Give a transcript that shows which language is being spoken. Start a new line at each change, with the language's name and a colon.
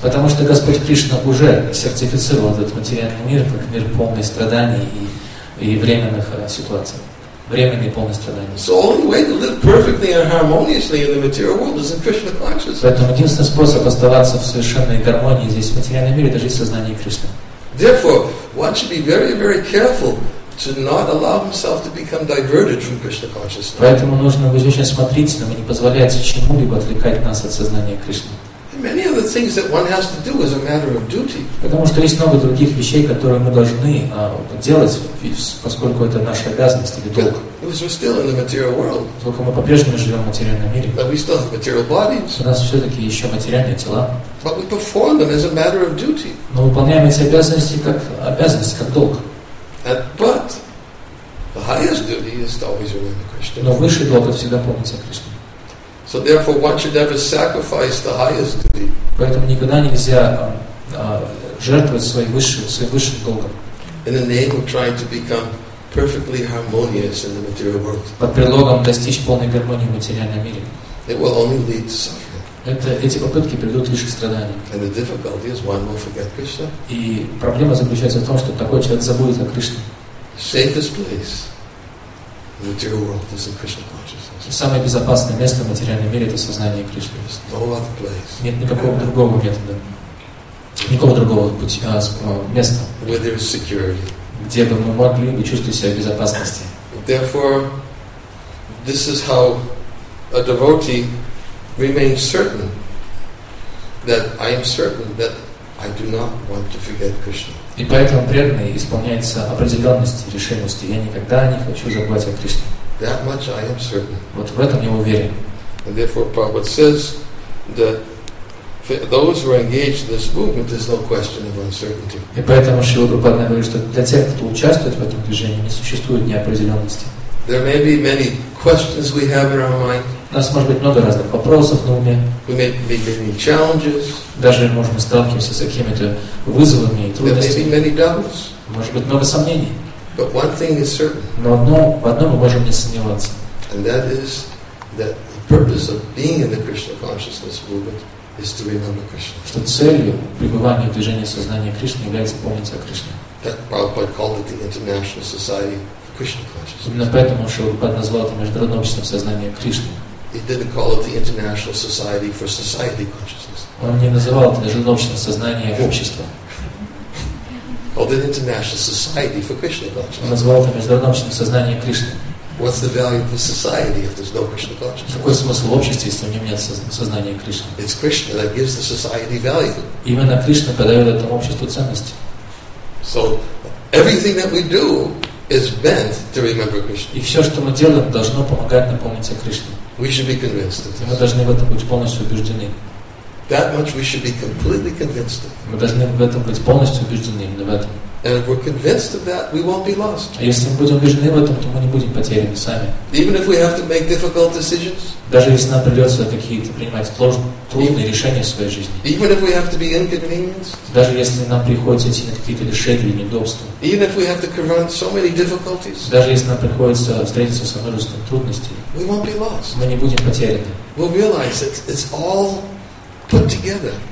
Russian: Потому что Господь Кришна уже сертифицировал этот материальный мир как мир полный страданий и временных ситуаций. Временный полный страданий.
English: So the only way to live perfectly and harmoniously in the material world is in Krishna consciousness.
Russian: Поэтому единственный способ оставаться в совершенной гармонии здесь, в материальном мире, это жить в сознании Кришны.
English: Therefore, one should be very, very careful to not allow himself to become diverted from Krishna consciousness.
Russian: Поэтому нужно быть очень осмотрительным и не позволять чему-либо отвлекать нас от сознания Кришны.
English: Many of the things that one has to do is a matter of duty.
Russian: Потому что есть много других вещей, которые мы должны делать, поскольку это наша обязанность или долг.
English: We're still in the material world.
Russian: Только мы по-прежнему живем в материальном мире.
English: But we still have material bodies.
Russian: У нас все-таки еще материальные тела.
English: But we perform them as a matter of duty.
Russian: Но выполняем эти обязанности как долг.
English: But the highest duty is to always remember Krishna.
Russian: Но высший долг всегда помнить о Кришне.
English: So therefore, one should never sacrifice the highest duty.
Russian: Поэтому никогда нельзя жертвовать своим высшим долгом.
English: In the name of trying to become perfectly harmonious in the material world.
Russian: Под предлогом достичь полной гармонии в материальном мире.
English: It will only lead to suffering.
Russian: Это эти попытки приведут лишь к страданиям.
English: And the difficulty is one will forget Krishna.
Russian: И проблема заключается в том, что такой человек забудет о Кришне.
English: Safest place in the material world is in Krishna consciousness.
Russian: Самое безопасное место в материальном мире — это сознание Кришны.
English: There's no other place.
Russian: Нет никакого другого метода, никакого другого пути, места.
English: Where there is security.
Russian: Где бы мы могли бы чувствовать себя в безопасности.
English: Therefore, this is how a devotee remains certain that I am certain that I do not want to forget Krishna.
Russian: И поэтому преданный исполняется определенности, решимости. Я никогда не хочу забывать о Кришне.
English: That much I am certain.
Russian: Вот в этом я уверен.
English: And therefore, Prabhupada says that for those who are engaged in this movement, there's no question of uncertainty.
Russian: И поэтому Шрила Прабхупада говорит, что для тех, кто участвует в этом движении, не существует неопределенности.
English: There may be many questions we have in our mind.
Russian: У нас может быть много разных вопросов на уме.
English: We may be many challenges.
Russian: Даже, может, мы сталкиваемся с какими-то вызовами и трудностями.
English: There may be many doubts.
Russian: Может быть много сомнений.
English: But one thing is certain.
Russian: Но одно, в одном мы можем не сомневаться.
English: And that is that the purpose of being in the Krishna consciousness movement is to remember Krishna.
Russian: Что целью пребывания в движении сознания Кришны является помнить о Кришне.
English: That Prabhupada called it the International Society for Krishna Consciousness.
Russian: Именно поэтому Шрила Прабхупада назвал это Международное общество сознания Кришны.
English: He didn't call it the International Society for Society Consciousness.
Russian: Он не называл это Международное общество сознания общества.
English: Called it International Society for Krishna Consciousness.
Russian: Он назвал это Международное общество сознания Кришны.
English: What's the value of the society if there's no Krishna consciousness?
Russian: Какой смысл общества, если у него нет сознания Кришны?
English: It's Krishna that gives the society value.
Russian: Именно Кришна подает этому обществу ценности.
English: So everything that we do is meant to remember Krishna.
Russian: И все, что мы делаем, должно помогать напомнить о Кришне.
English: We should be convinced of this.
Russian: Мы должны в этом быть полностью убеждены.
English: That much we should be completely convinced of.
Russian: Мы должны в этом быть полностью убеждены именно в этом.
English: And if we're convinced of that, we won't be lost.
Russian: А если мы будем убеждены в этом, то мы не будем потеряны сами.
English: Even if we have to make difficult decisions.
Russian: Даже если нам придется какие-то принимать трудные решения в своей жизни.
English: Even if we have to be inconvenienced.
Russian: Даже если нам приходится идти на какие-то решения и неудобства.
English: Even if we have to confront so many difficulties.
Russian: Даже если нам приходится встретиться со множеством трудностей.
English: We won't be lost.
Russian: Мы не будем потеряны.
English: We'll realize that it's all put together.